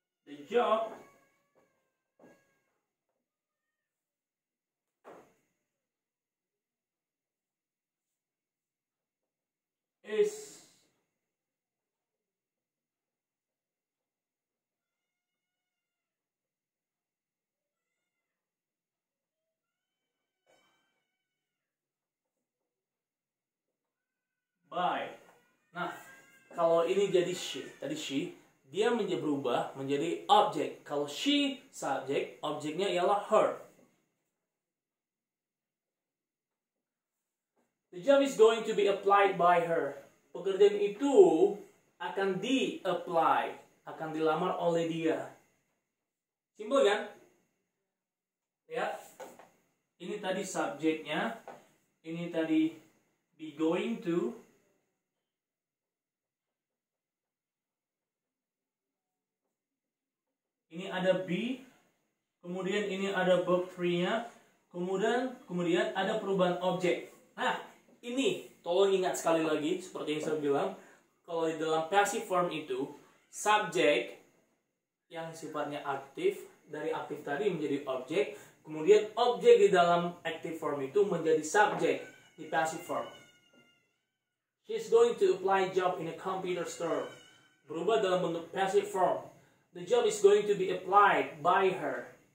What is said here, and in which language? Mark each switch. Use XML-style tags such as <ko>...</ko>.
<en>The job is by.</en> <id>Nah, kalau ini jadi she, tadi she, dia menjadi berubah menjadi objek. Kalau she subjek, objeknya ialah her.</id> <en>The job is going to be applied by her.</en> <id>Pekerjaan itu akan di-apply, akan dilamar oleh dia. Simple kan? Ya. Ini tadi subjeknya, ini tadi be going to. Ini ada be, kemudian ini ada verb 3-nya, kemudian ada perubahan objek. Nah, ini tolong ingat sekali lagi seperti yang saya bilang, kalau di dalam passive form itu subjek yang sifatnya aktif, dari aktif tadi menjadi objek, kemudian objek di dalam active form itu menjadi subjek di passive form.</id> <en>She's going to apply job in a computer store.</en> <id>Berubah dalam bentuk passive form.</id> <en>The job is going to be applied by her.</en>